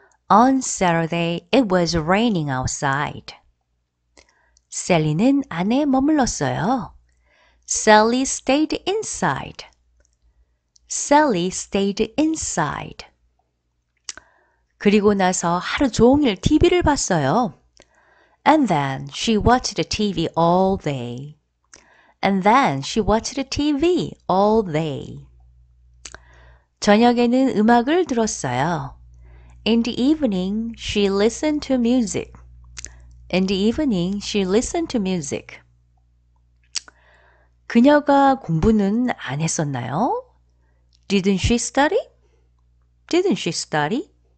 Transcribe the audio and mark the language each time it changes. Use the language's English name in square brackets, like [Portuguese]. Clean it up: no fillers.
[English] On Saturday, it was raining outside. [Korean] Sally는 안에 머물렀어요. [English] Sally stayed inside. Sally stayed inside. [Korean] 그리고 나서 하루 종일 TV를 봤어요. [English] And then she watched the TV all day. And then she watched the TV all day. [Korean] 저녁에는 음악을 들었어요. [English] In the evening, she listened to music. In the evening, she listened to music. [Korean] 그녀가 공부는 안 했었나요? [English] Didn't she study? Didn't she study?